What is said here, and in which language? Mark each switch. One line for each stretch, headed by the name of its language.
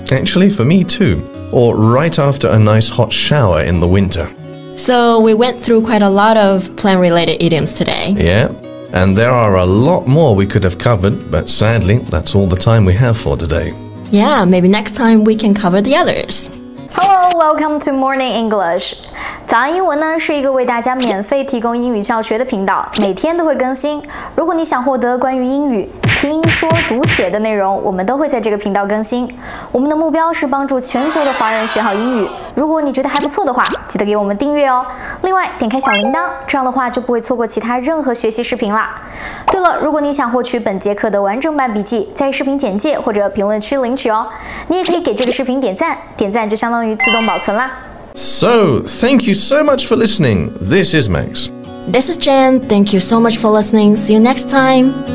English: Actually, for me too, or right after a nice hot shower in the winter. So we went through quite a lot of plant-related idioms today. Yeah. And there are a lot more we could have covered, but sadly, that's all the time we have for today. Yeah, maybe next time we can cover the others. Hello, welcome to Morning English.
Chinese: 早安英文呢，是一个为大家免费提供英语教学的频道，每天都会更新。如果你想获得关于英语听说读写的内容，我们都会在这个频道更新。我们的目标是帮助全球的华人学好英语。如果你觉得还不错的话，记得给我们订阅哦。另外，点开小铃铛，这样的话就不会错过其他任何学习视频啦。对了，如果你想获取本节课的完整版笔记，在视频简介或者评论区领取哦。你也可以给这个视频点赞，点赞就相当于自动保存啦。
English: So, thank you so much for listening. This is Max. This is Jen. Thank you so much for listening. See you next time.